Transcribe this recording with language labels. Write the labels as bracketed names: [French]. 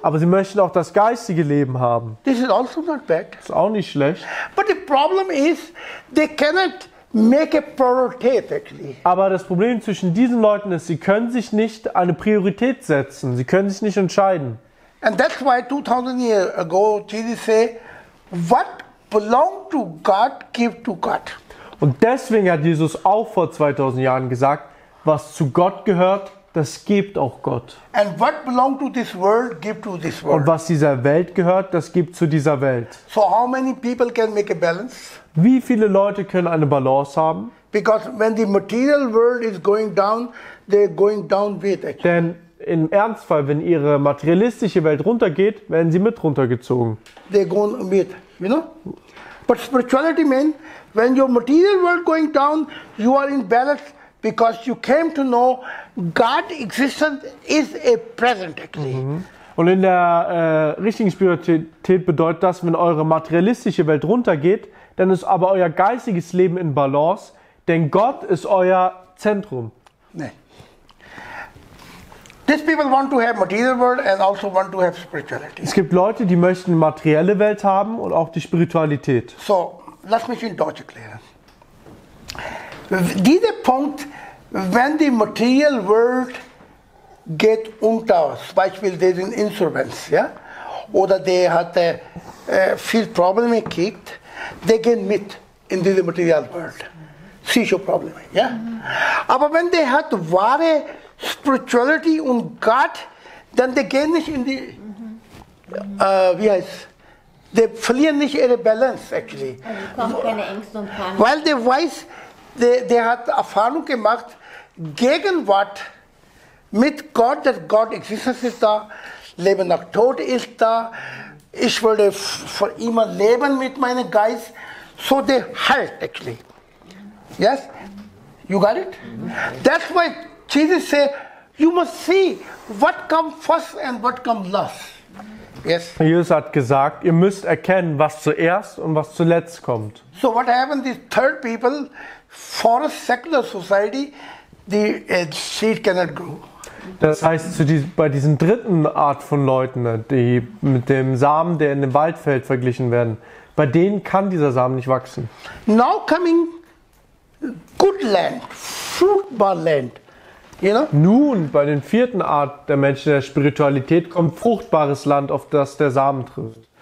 [German] Aber sie möchten auch das geistige Leben haben. [English] This is also not bad. [German] Ist auch nicht schlecht. [English] But the problem is, they cannot make a priority actually. [German] Aber das Problem zwischen diesen Leuten ist, sie können sich nicht eine Priorität setzen. Sie können sich nicht entscheiden. [English] And that's why 2000 years ago, Jesus said, what belong to God, give to God. [German] Und deswegen hat Jesus auch vor 2000 Jahren gesagt, was zu Gott gehört, das gibt auch Gott. [English] And what belong to this world, give to this world. [German] Und was dieser Welt gehört, das gibt zu dieser Welt. [English] So how many people can make a balance? [German] Wie viele Leute können eine Balance haben? [English] Because when the material world is going down, they're going down with it. [German] Denn im Ernstfall, wenn ihre materialistische Welt runtergeht, werden sie mit runtergezogen. [English] They're going with, you know? But spirituality means, when your material world going down, you are in balance because you came to know God's existence is a present actually. Mm-hmm. [German] Und in der richtigen Spiritualität bedeutet das, wenn eure materialistische Welt runtergeht, dann ist aber euer geistiges Leben in Balance, denn Gott ist euer Zentrum. Nee. [English] These people want to have material world and also want to have spirituality. [German] Es gibt Leute, die möchten die materielle Welt haben und auch die Spiritualität. So, lass mich in Deutsch erklären. Dieser Punkt, wenn die material world geht unter, zum Beispiel [English] there is an insurance, [German] ja, oder der hat viel Probleme gekriegt, [English] they gain [German] mit in the material world. [English] Seizure problem, [German] ja. Aber wenn der hat wahre spirituality und Gott, dann [English] they gain [German] nicht in die, wie heißt, [English] they [German] verlieren nicht ihre Balance actually. Also kommt keine Ängste und Panik. Weil der weiß, der hat Erfahrung gemacht, Gegenwart mit Gott, dass Gott existiert ist da, Leben nach Tod ist da, ich würde für immer leben mit meinem Geist, so der halt actually. [English] Yes? You got it? That's why Jesus said, you must see what comes first and what comes last. Yes. [German] Jesus hat gesagt, ihr müsst erkennen, was zuerst und was zuletzt kommt. [English] So what happened, these third people, for a secular society, the seed cannot grow. [German] Das heißt, bei diesen dritten Art von Leuten, die mit dem Samen, der in dem Wald fällt, verglichen werden, bei denen kann dieser Samen nicht wachsen. [English] Now coming good land, fruitful land. You know? [German] Nun, bei den vierten Art der Menschen der Spiritualität kommt fruchtbares Land, auf das der Samen trifft.